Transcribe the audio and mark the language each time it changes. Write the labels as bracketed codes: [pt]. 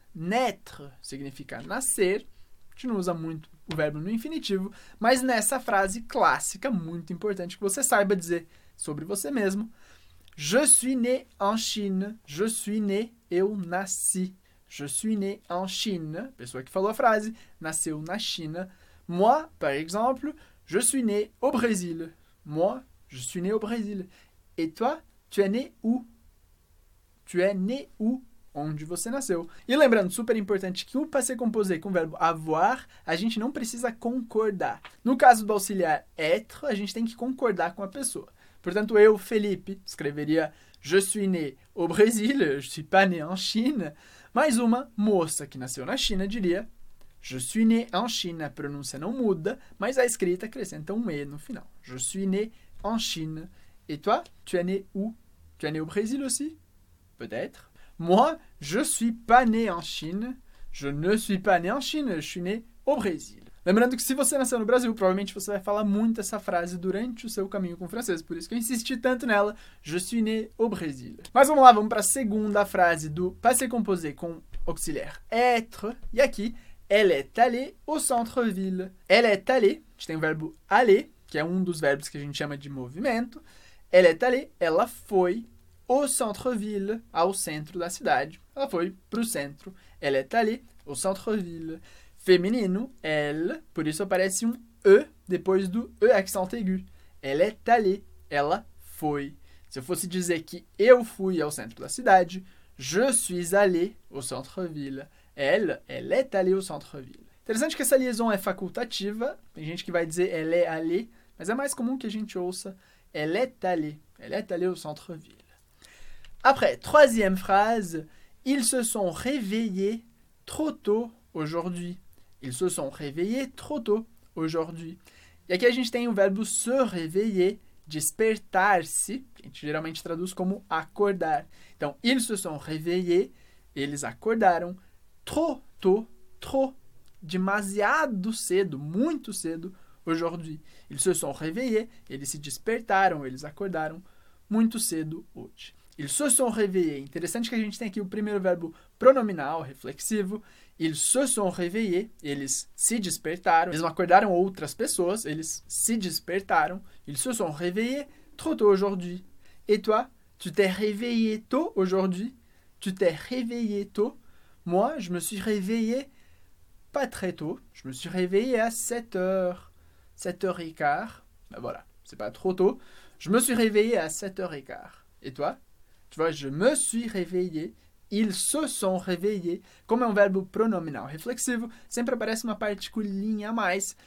[pt] Naître significa nascer, a gente não usa muito o verbo no infinitivo, mas nessa frase clássica, muito importante que você saiba dizer sobre você mesmo, [fr] je suis né en Chine, je suis né, [pt] eu nasci. [fr] Je suis né en Chine. [pt] Pessoa que falou a frase, nasceu na China. [fr] Moi, par exemple, je suis né au Brésil. Moi, je suis né au Brésil. Et toi, tu es né où? Tu es né où? [pt] Onde você nasceu. E lembrando, super importante, que o passé composé com o verbo avoir, a gente não precisa concordar. No caso do auxiliar être, a gente tem que concordar com a pessoa. Portanto, eu, Felipe, escreveria [fr] je suis né au Brésil, je suis pas né en Chine. [pt] Mais uma moça que nasceu na China diria [fr] je suis né en Chine, [pt] a pronúncia não muda, mas a escrita acrescenta um E no final. [fr] Je suis né en Chine, Et toi, tu es né où? Tu es né au Brésil aussi? Peut-être. Moi, je suis pas né en Chine. Je ne suis pas né en Chine, je suis né au Brésil. [pt] Lembrando que se você nasceu no Brasil, provavelmente você vai falar muito essa frase durante o seu caminho com o francês, por isso que eu insisti tanto nela, [fr] je suis né au Brésil. [pt] Mas vamos lá, vamos para a segunda frase do passé composé com auxiliaire être. E aqui, [fr] elle est allée au centre-ville. [pt] Elle est allée, a gente tem o verbo aller, que é um dos verbos que a gente chama de movimento. [fr] Elle est allée, [pt] ela foi [fr] au centre-ville, [pt] ao centro da cidade. Ela foi para o centro. [fr] Elle est allée au centre-ville. [pt] Feminino, elle, por isso aparece um E depois do E accent aigu. [fr] Elle est allée, [pt] ela foi. Se eu fosse dizer que eu fui ao centro da cidade, [fr] je suis allé au centre-ville. Elle, elle est allée au centre-ville. [pt] Interessante que essa liaison é facultativa. Tem gente que vai dizer [fr] elle est allée, [pt] mas é mais comum que a gente ouça [fr] elle est allée au centre-ville. Après, troisième phrase, ils se sont réveillés trop tôt aujourd'hui. Ils se sont réveillés trop tôt aujourd'hui. [pt] E aqui a gente tem o verbo se réveiller, despertar-se, que a gente geralmente traduz como acordar. Então, [fr] ils se sont réveillés, [pt] eles acordaram [fr] trop tôt, [pt] trop, demasiado cedo, muito cedo, [fr] aujourd'hui. Ils se sont réveillés, [pt] eles se despertaram, eles acordaram muito cedo hoje. [fr] Ils se sont réveillés. [pt] Interessante que a gente tem aqui o primeiro verbo pronominal, reflexivo. [fr] Ils se sont réveillés. [pt] Eles se despertaram. Eles não acordaram outras pessoas. Eles se despertaram. [fr] Ils se sont réveillés trop tôt aujourd'hui. Et toi, tu t'es réveillé tôt aujourd'hui? Tu t'es réveillé tôt? Moi, je me suis réveillé pas très tôt. Je me suis réveillé à 7h. 7h15. Ben voilà, c'est pas trop tôt. Je me suis réveillé à 7h15. Et toi? Tu vois, je me suis réveillé, ils se sont réveillés. [pt] Como é um verbo pronominal reflexivo, sempre aparece uma particulinha a mais.